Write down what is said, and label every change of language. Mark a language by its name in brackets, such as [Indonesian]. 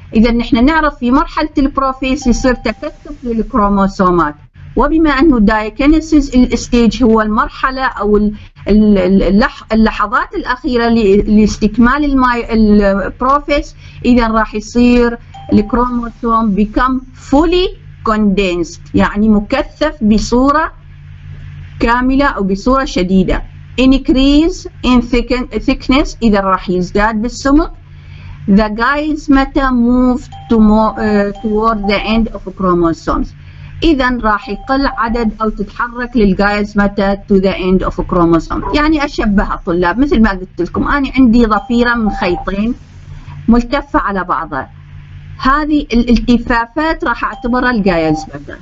[Arabic] اذا نحن نعرف في مرحله البروفيس يصير تكثف للكروموسومات، وبما انه الدايكينيسيس الستيج هو المرحله او اللحظات الاخيره لاستكمال البروفيس، اذا راح يصير الكروموسوم [English] become fully condensed, [Arabic] يعني مكثف بصوره كامله او بصوره شديده. [English] increase in thickness, [Arabic] اذا راح يزداد بالسمك. [English] The gaismata moved toward the end of chromosomes. [Arabic] إذا راح يقل عدد أو تتحرك للجايزمتا [English] to the end of chromosome. [Arabic] يعني أشبهها طلاب مثل ما قلت لكم، أنا عندي ضفيرة من خيطين ملتفة على بعضها. هذه الالتفافات راح أعتبرها الجايزمتا.